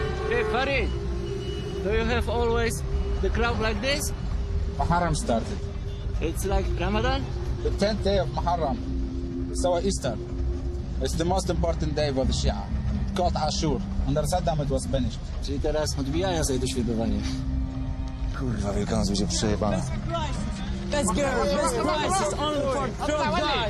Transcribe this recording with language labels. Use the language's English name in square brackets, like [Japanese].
[English] Hey, Fari, do you have always the crowd like this? Muharram started. It's like Ramadan? The 10th day of Muharram. It's our Easter. It's the most important day for the Shia. Called Ashur. Under Saddam it was finished. [Polish] Czyli teraz odbijają sobie doświadczenie. Kurwa, Wielkanoc będzie przejebana. [English] Best girl, best price is only for drunk guys.